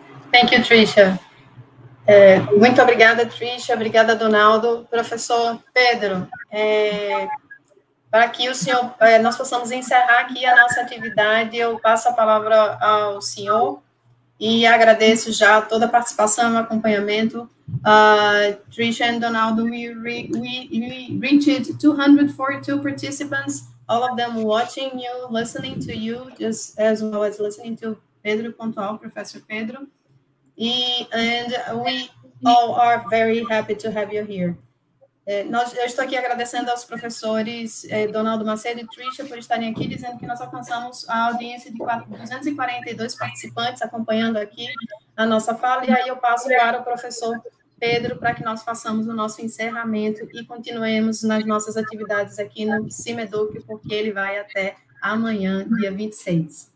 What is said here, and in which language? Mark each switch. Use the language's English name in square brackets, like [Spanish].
[English] Thank you, Trisha. [Portuguese] Muito obrigada, [English] Trisha. [Portuguese] Obrigada, Donaldo. Professor Pedro, para que o senhor, nós possamos encerrar aqui a nossa atividade, eu passo a palavra ao senhor E agradeço já toda a participação e acompanhamento. [English] Trisha and Donaldo, we reached 242 participants, all of them watching you, listening to you, just as well as listening to Pedro Pontual, Professor Pedro. And we all are very happy to have you here. [Portuguese] Eu estou aqui agradecendo aos professores Donaldo Macedo e Trisha por estarem aqui, dizendo que nós alcançamos a audiência de 242 participantes acompanhando aqui a nossa fala, e aí eu passo para o professor Pedro para que nós façamos o nosso encerramento e continuemos nas nossas atividades aqui no CIMEDUC, porque ele vai até amanhã, dia 26.